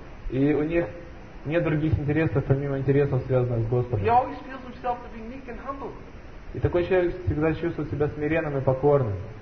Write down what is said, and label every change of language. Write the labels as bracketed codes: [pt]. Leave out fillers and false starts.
[ru] И у них нет других интересов, помимо интересов, связанных с Господом. [en] He always feels himself to be meek and humble. [ru] И такой человек всегда чувствует себя смиренным и покорным.